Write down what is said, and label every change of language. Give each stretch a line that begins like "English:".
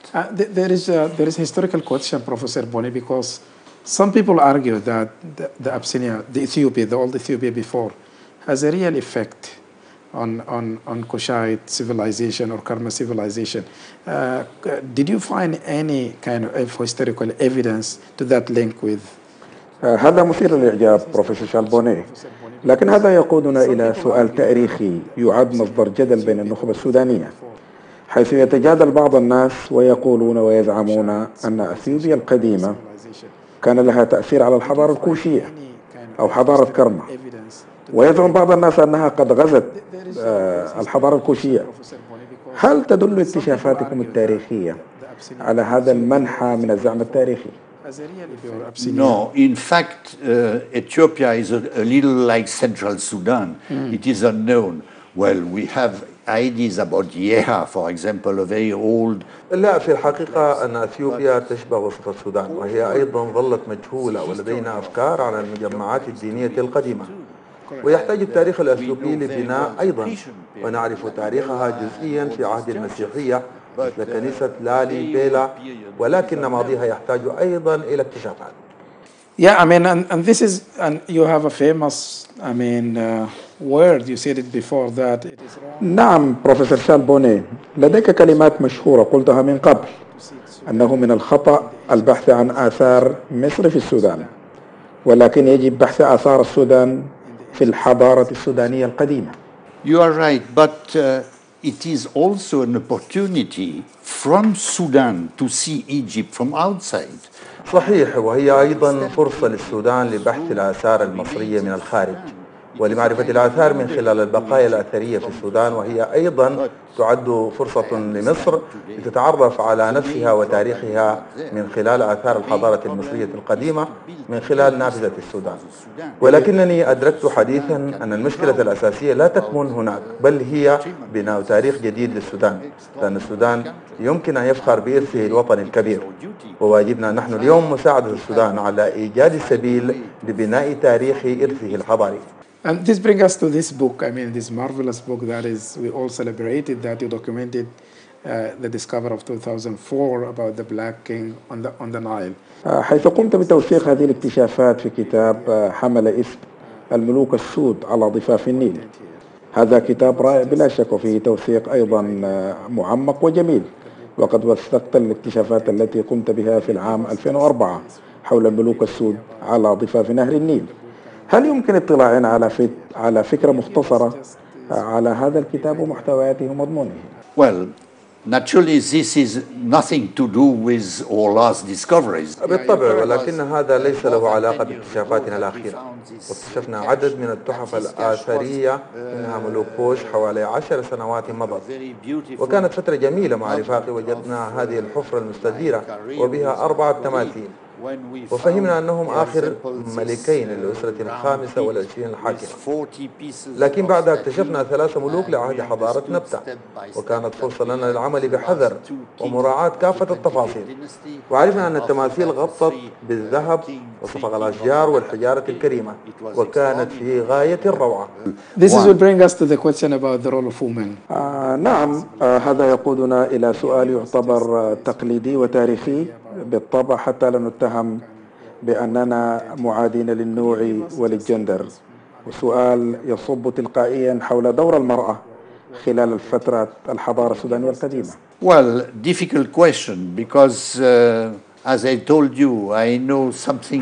English: There is a historical question, Professor Bonny, because some people argue that the Abyssinia, the Ethiopia, the old Ethiopia before, has a real effect on Kushite civilization or Karma civilization. Did you find any kind of historical evidence to that link with?
Arabic: هذا مثير للإعجاب بروفيسور شارل بوني، لكن هذا يقودنا إلى سؤال تاريخي يعد مصدر جدل بين النخبة السودانية، حيث يتجادل بعض الناس ويقولون ويزعمون أن أثيوبيا القديمة كان لها تأثير على الحضارة الكوشية أو حضارة كرمة، ويزعم بعض الناس أنها قد غزت الحضارة الكوشية. هل تدل اكتشافاتكم التاريخية على هذا المنحى من الزعم التاريخي؟
English: No, in fact, Ethiopia is a little like Central Sudan. It is unknown. Well, we have ideas about Yeha, for example, a very old.
Arabic: لا في الحقيقة أن أثيوبيا تشبه وسط السودان، وهي أيضا ظلت مجهولة ولدينا أفكار عن المجمعات الدينية القديمة. ويحتاج التاريخ الأثيوبي لبناء أيضا، ونعرف تاريخها جزئيا في عهد المسيحية. مثل كنيسة لالي بيلا، ولكن ماضيها يحتاج أيضا إلى اكتشافات.
English: Yeah, I mean, and this is, and you have a famous, I mean, word. You said it before that.
Arabic: نعم، بروفيسور شارل بوني، لديك كلمات مشهورة قلتها من قبل، أنه من الخطأ البحث عن آثار مصر في السودان، ولكن يجب بحث آثار السودان في الحضارة السودانية القديمة.
English: You are right, but it is also an opportunity from Sudan to see Egypt from outside.
Arabic: صحيح، وهي أيضا فرصة للسودان لبحث الآثار المصرية من الخارج ولمعرفة الآثار من خلال البقايا الأثرية في السودان، وهي أيضا تعد فرصة لمصر لتتعرف على نفسها وتاريخها من خلال آثار الحضارة المصرية القديمة من خلال نافذة السودان. ولكنني أدركت حديثا أن المشكلة الأساسية لا تكمن هناك، بل هي بناء تاريخ جديد للسودان، لأن السودان يمكن أن يفخر بإرثه الوطني الكبير، وواجبنا نحن اليوم مساعدة السودان على إيجاد السبيل لبناء تاريخ إرثه الحضاري.
English: And this brings us to this book, I mean this marvelous book that is we all celebrated, that you documented the discovery of 2004 about the Black King on the Nile.
Arabic: حيث قمت بتوثيق هذه الاكتشافات في كتاب حمل اسم الملوك السود على ضفاف النيل. هذا كتاب رائع بلا شك، وفيه توثيق أيضا معمق وجميل، وقد وثقت الاكتشافات التي قمت بها في العام 2004 حول الملوك السود على ضفاف نهر النيل. هل يمكن اطلاعنا على فكرة مختصرة على هذا الكتاب ومحتوياته ومضمونه؟
English: Well, naturally this is nothing to do with our last discoveries.
Arabic: بالطبع، ولكن هذا ليس له علاقة باكتشافاتنا الأخيرة. اكتشفنا عدد من التحف الآثرية منها ملوك كوش حوالي 10 سنوات مضت، وكانت فترة جميلة مع رفاقي. وجدنا هذه الحفرة المستديرة وبها 4 تماثيل، وفهمنا أنهم آخر ملكين للأسرة الخامسة والعشرين الحاكمة. لكن بعدها اكتشفنا 3 ملوك لعهد حضارة نبتة، وكانت فرصة لنا للعمل بحذر ومراعاة كافة التفاصيل. وعرفنا أن التماثيل غطت بالذهب وصفق الأشجار والحجارة الكريمة، وكانت في غاية الروعة.
English: This will bring us to the question about the role of women.
Arabic: نعم، هذا يقودنا إلى سؤال يعتبر تقليدي وتاريخي بالطبع، حتى لا نتهم بأننا معادين للنوع وللجندر. وسؤال يصب تلقائيا حول دور المرأة خلال الفترة الحضارة السودانية القديمة.
English: Well, difficult question because as I told you, I know something.